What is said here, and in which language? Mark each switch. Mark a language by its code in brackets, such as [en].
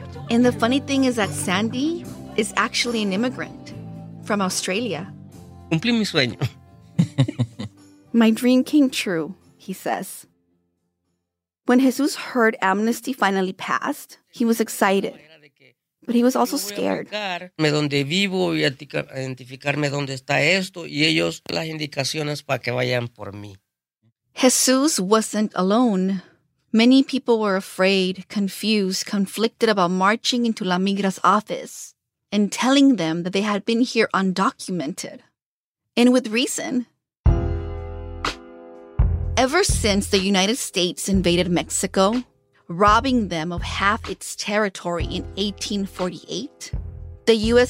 [en] And the funny thing is that Sandy is actually an immigrant from Australia. [es] Cumplí mi sueño. [en] My dream came true, he says. When Jesus heard amnesty finally passed, he was excited. But he was also scared. [es] Me donde vivo y identificarme dónde está esto y ellos las indicaciones para que vayan por mí. [en] Jesus wasn't alone. Many people were afraid, confused, conflicted about marching into La Migra's office and telling them that they had been here undocumented. And with reason. Ever since the United States invaded Mexico, robbing them of half its territory in 1848, the U.S.